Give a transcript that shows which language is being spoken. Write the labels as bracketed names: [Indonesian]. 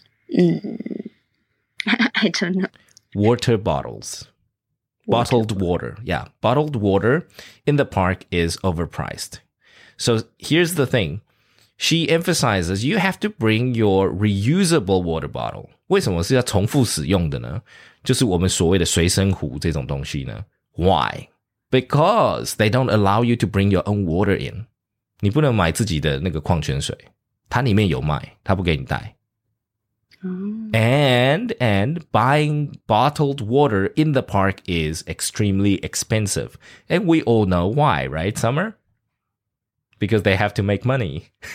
[English] I don't know. Water bottles. Bottled water. Yeah, bottled water in the park is overpriced. So here's the thing. She emphasizes you have to bring your reusable water bottle. [Chinese] 为什么是要重复使用的呢?就是我们所谓的随身壶这种东西呢? [English] Why? Because they don't allow you to bring your own water in. [Chinese] 你不能买自己的那个矿泉水。它里面有卖, 它不给你带。 [English] And buying bottled water in the park is extremely expensive. And we all know why, right, Summer? Because they have to make money.